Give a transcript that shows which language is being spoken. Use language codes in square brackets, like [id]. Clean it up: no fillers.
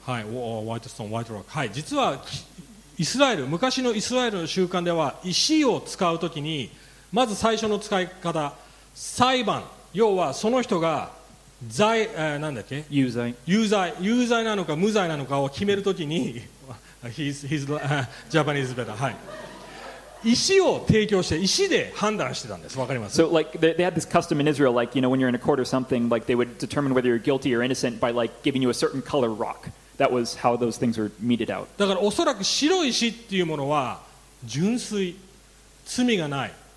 [en] はい、white stone, white rock. [ja] はい、実はイスラエル、昔のイスラエルの習慣では石を使うときにまず最初の使い方、裁判。要はその人が罪、なんだっけ有罪有罪なのか無罪なのかを決めるときに [en] Japanese better、 [ja] はい、石を提供して石で判断してたんです。わかります。 [en] So like they had this custom in Israel, like you know when you're in a court or something, like they would determine whether you're guilty or innocent by like giving you a certain color rock. That was how those things were meted out. [ja] だからおそらく白石っていうものは純粋、罪がない、